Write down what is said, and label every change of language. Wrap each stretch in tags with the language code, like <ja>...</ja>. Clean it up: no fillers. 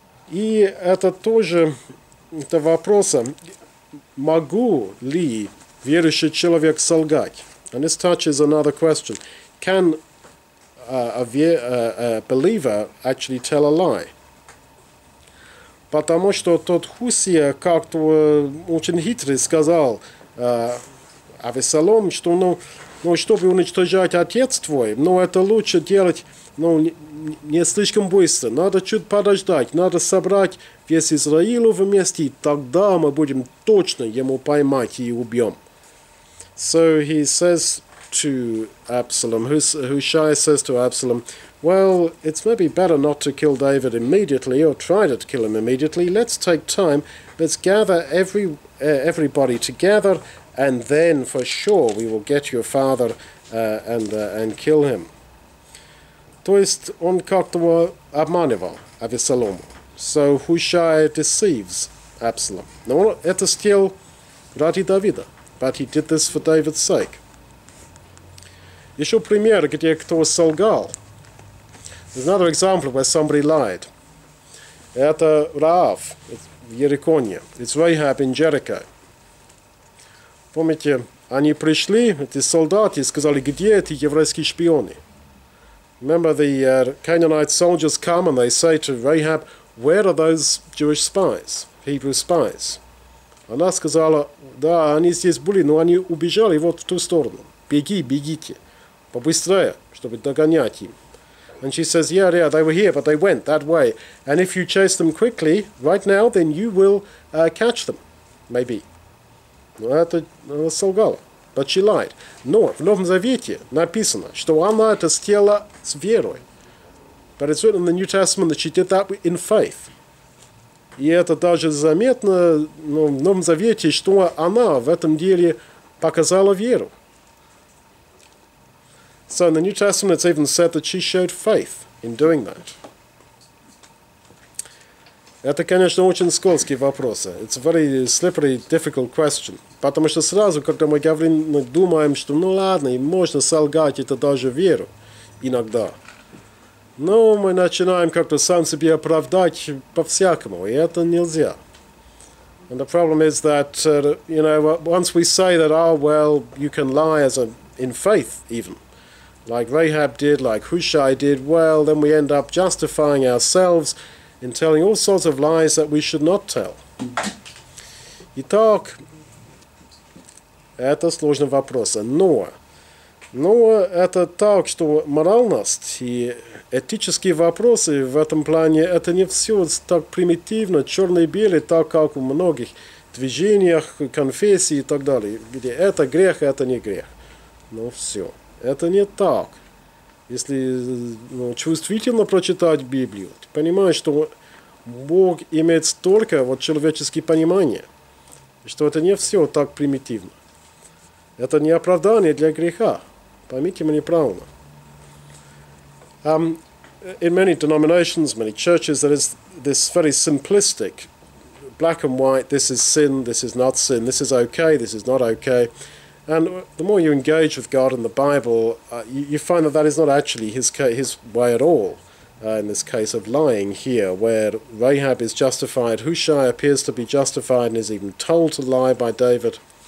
<ru>И это тоже это вопрос, могу ли верующий человек солгать?</ru> <en>And this touches another question. Can a believer actually tell a lie?</en> <ru>Потому что тот Хусия как-то очень хитрый сказал Авессалом, что, ну, ну, чтобы уничтожать отец твой, ну, это лучше делать, ну, не слишком быстро. Надо чуть подождать, надо собрать весь Израиль вместе, и тогда мы будем точно ему поймать и убьем.</ru> <en>So he says to Absalom, Hushai says to Absalom, well, it's maybe better not to kill David immediately or try to kill him immediately. Let's take time. Let's gather everybody together, and then for sure we will get your father and kill him.</en> <ru>То есть он как-то обманывал Авессалома.</ru> <en>So Хушай deceives Absalom.</en> <ru>Но это still ради Давида,</ru> <en>but he did this for David's sake.</en> <ru>Еще пример, где кто солгал.</ru> <en>There's another example where somebody lied.</en> <ru>Это Раав в Ерехоне.</ru> <en>It's Rahab in Jericho.</en> <ru>Помните, они пришли, эти солдаты, и сказали, где эти еврейские шпионы?</ru> <en>Remember, the Canaanite soldiers come and they say to Rahab, where are those Jewish spies? Hebrew spies.</en> <ru>Она сказала, да, они здесь были, но они убежали вот в ту сторону. Беги, бегите, побыстрее, чтобы догонять им.</ru> <en>And she says, yeah, yeah, they were here, but they went that way. And if you chase them quickly, right now, then you will catch them, maybe.</en> <ru>Но это она солгала.</ru> <en>But she lied.</en> <ru>Но в Новом Завете написано, что она это сделала с верой.</ru> <en>But it's written in the New Testament that she did that in faith.</en> <ru>И это даже заметно, ну, в Новом Завете, что она в этом деле показала веру.</ru> <en>So in the New Testament it's even said that she showed faith in doing that.</en> <ru>Это, конечно, очень скользкий вопрос.</ru> <en>It's a very slippery, difficult question.</en> <ru>Потому что сразу, когда мы говорим, мы думаем, что ну ладно, и можно солгать, это даже веру иногда. Но мы начинаем как-то сам себе оправдать по-всякому, и это нельзя.</ru> <en>And the problem is that, you know, once we say that, oh, well, you can lie as a, in faith even, like Rahab did, like Hushai did, well, then we end up justifying ourselves in telling all sorts of lies that we should not tell.</en> <ru>Итак, это сложный вопрос. Но это так, что моральность и этические вопросы в этом плане, это не все так примитивно, черно-белый, так как у многих движениях, конфессий и так далее, где это грех, это не грех. Но все. Это не так. Если ну, чувствительно прочитать Библию, ты понимаешь, что Бог имеет столько вот, человеческих понимания, что это не все так примитивно. Это не оправдание для греха. Поймите меня правильно.</ru> <en>In many denominations, many churches, there is this very simplistic black and white, this is sin, this is not sin, this is okay, this is not okay. And the more you engage with God and the Bible, you find that that is not actually his way at all, in this case of lying here, where Rahab is justified, Hushai appears to be justified and is even told to lie by David.</en>